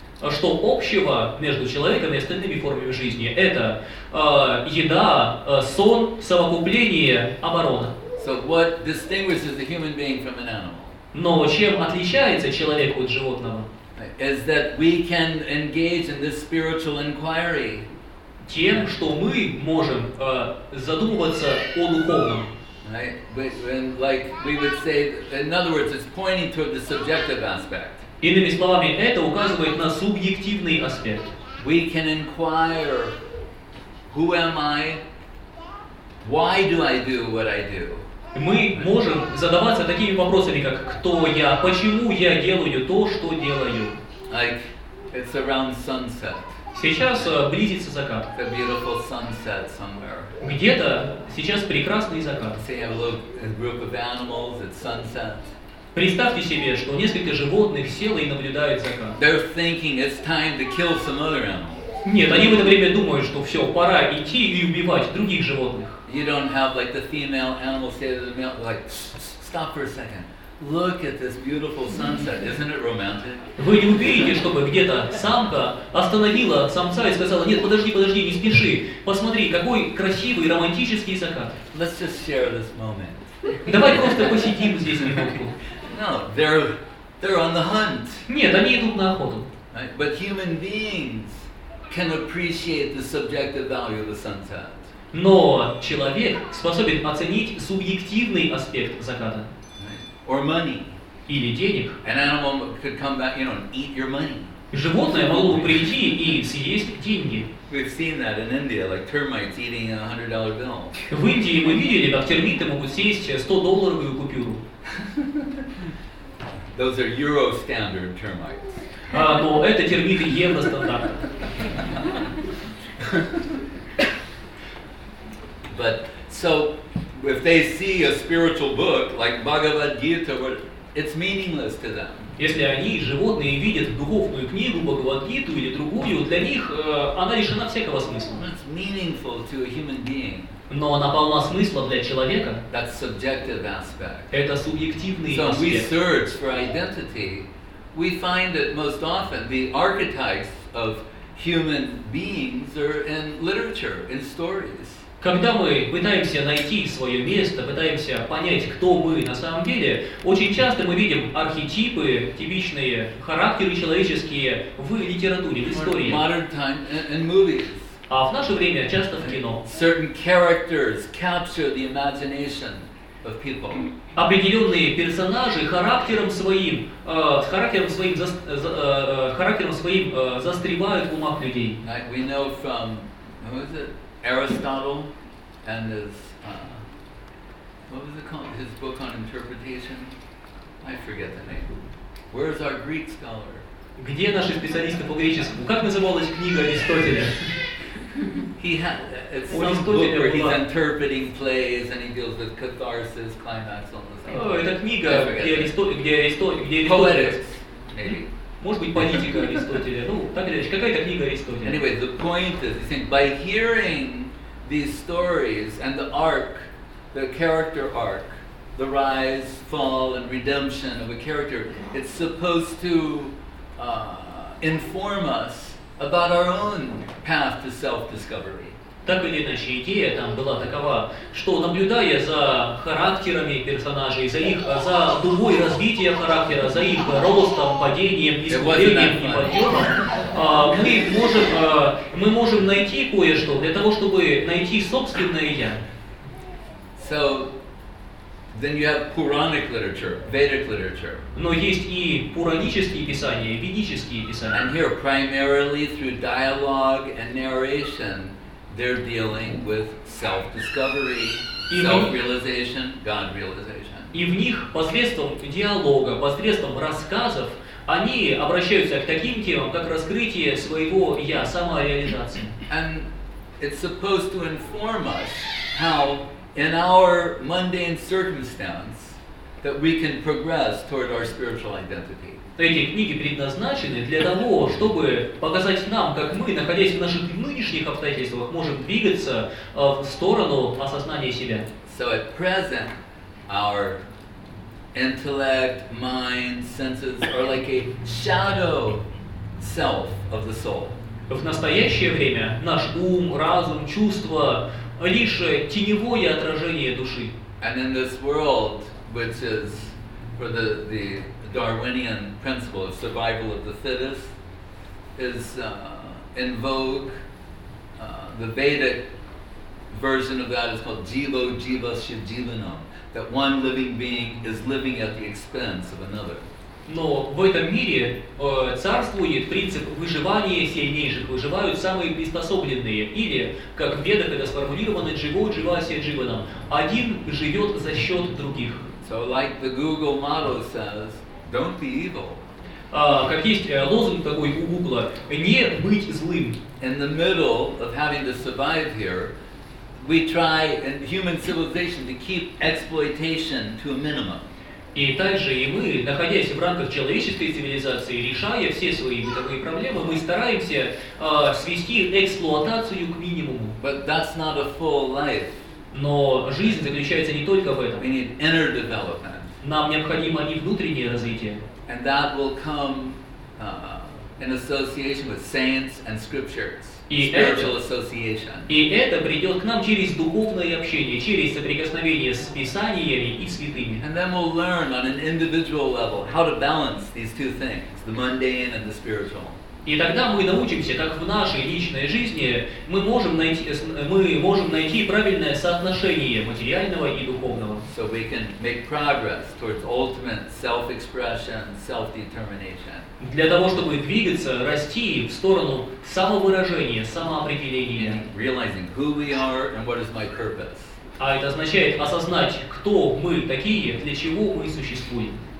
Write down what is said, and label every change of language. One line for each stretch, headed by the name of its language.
Russian: Что общего между человеком и остальными формами жизни? Это еда, сон, совокупление, оборона.
English: So what distinguishes the human being from an animal?
Russian: Но чем отличается человек от животного?
English: Is that we can engage in this spiritual inquiry.
Russian: Тем, что мы можем задумываться о духовном.
English: Right? And like we would say, in other words, it's pointing to the subjective aspect.
Russian: Иными словами, это указывает на субъективный аспект.
English: We can inquire, who am I? Why do I do what I do?
Russian: Мы можем задаваться такими вопросами, как кто я, почему я делаю то, что делаю.
English: Like, it's around sunset.
Russian: Сейчас близится закат.
English: It's a beautiful sunset somewhere.
Russian: Где-то сейчас прекрасный закат.
English: See, I look at a group of animals at sunset.
Russian: Представьте себе, что несколько животных село и наблюдают закат.
English: They're thinking it's time to kill some other animal.
Russian: Нет, они в это время думают, что все, пора идти и убивать других животных.
English: You don't have like the female animal say to the male, like, stop for a second. Look at this beautiful sunset. Isn't it romantic?
Russian: Вы не увидите, чтобы где-то самка остановила самца и сказала, нет, подожди, подожди, не спеши. Посмотри, какой красивый романтический закат.
English: Let's just share this moment.
Russian: Давай просто посидим здесь минутку.
English: No, they're on the hunt.
Russian: Нет, они идут на охоту.
English: Right? But human beings can appreciate the subjective value of the sunset.
Russian: Но человек способен оценить субъективный аспект заката.
English: Right? Or money.
Russian: Или денег.
English: An animal could come back, you know, and eat your money.
Russian: Животное могло бы прийти и съесть деньги.
English: We've seen that in India, like termites eating a $100 bill.
Russian: В Индии мы видели, как термиты могут съесть $100 купюру.
English: Those are Euro standard termites.
Russian: Но это термиты евро стандарт.
English: But so if they see a spiritual book like Bhagavad Gita, it's meaningless to them.
Russian: Если они, животные, видят духовную книгу, Бхагавад-гиту или другую, для них она лишена всякого смысла.
English: It's meaningful to a human being.
Russian: Но она полна смысла для человека.
English: That's subjective aspect.
Russian: Это субъективный
English: so
Russian: аспект.
English: So we search for identity, we find that most often the archetypes of human beings are in literature, in stories.
Russian: Когда мы пытаемся найти свое место, пытаемся понять, кто мы на самом деле, очень часто мы видим архетипы, типичные характеры человеческие в литературе, в истории.
English: Modern time and movies.
Russian: А в наше время часто в кино.
English: Certain characters capture the imagination of people.
Russian: Определенные персонажи характером своим застревают в умах людей.
English: Like we know from, who is it? Aristotle and his what was it called? His book on interpretation. I forget the name. Where's our Greek scholar?
Russian: Где наши специалисты по греческому? Как называлась книга Аристотеля?
English: He's interpreting plays and he deals with catharsis, climax, all those things.
Russian: Oh, это книга, где Аристотель.
English: Poetics, maybe.
Russian: Может быть, политика Аристотеля. Ну, так или иначе, какая-то книга Аристотеля.
English: Anyway, the point is, you think, by hearing these stories and the arc, the character arc, the rise, fall, and redemption of a character, it's supposed to inform us about our own path to self-discovery.
Russian: Так или иначе, идея там была такова, что наблюдая за характерами персонажей, за их, за дугой развития характера, за их ростом, падением, искуплением и подъемом, мы можем найти кое-что для того, чтобы найти собственное я.
English: So, then you have Puranic literature, Vedic literature.
Russian: Но есть и пуранические писания, и ведические писания.
English: And here, primarily through dialogue and narration, they're dealing with self-discovery, self-realization, God-realization.
Russian: И в них посредством диалога, посредством рассказов, они обращаются к таким темам, как раскрытие своего я, самореализация.
English: And it's supposed to inform us how in our mundane circumstance that we can progress toward our spiritual identity.
Russian: Эти книги предназначены для того, чтобы показать нам, как мы, находясь в наших нынешних обстоятельствах, можем двигаться в сторону осознания себя.
English: So at present, our intellect, mind, senses are like a shadow self of the soul.
Russian: В настоящее время наш ум, разум, чувства — лишь теневое отражение души.
English: And in this world, which is for the Darwinian principle of survival of the fittest is in vogue. The Vedic version of that is called
Sanskrit: jivo jivasya jivanam,
English: that one living being is living at the expense of another.
Russian: Но в этом мире царствует принцип выживания сильнейших, выживают самые приспособленные, или, как в Ведах это сформулировано,
Sanskrit: jivo jivasya jivanam,
Russian: один живет за счет других.
English: So like the Google motto says, don't be evil.
Russian: Как есть лозунг такой у Гугла, не быть злым.
English: In the middle of having to survive here, we try in human civilization to keep exploitation to a minimum.
Russian: И также и мы, находясь в рамках человеческой цивилизации, решая все свои бытовые проблемы, мы стараемся свести эксплуатацию к минимуму.
English: But that's not a full life.
Russian: Но жизнь заключается не только в этом.
English: We need inner development.
Russian: Нам необходимо и внутреннее развитие.
English: And that will come in association with saints and scriptures. Spiritual association.
Russian: И это придет к нам через духовное общение, через соприкосновение с писаниями и святыми.
English: And then we'll learn on an individual level how to balance these two things, the mundane and the spiritual.
Russian: И тогда мы научимся, как в нашей личной жизни мы можем найти правильное соотношение материального и духовного.
English: So we can make progress towards ultimate self-expression, self-determination.
Russian: Для того, чтобы двигаться, расти в сторону самовыражения, самоопределения.
English: And realizing who we are and what is my purpose.
Russian: А это означает осознать, кто мы такие, для чего мы существуем.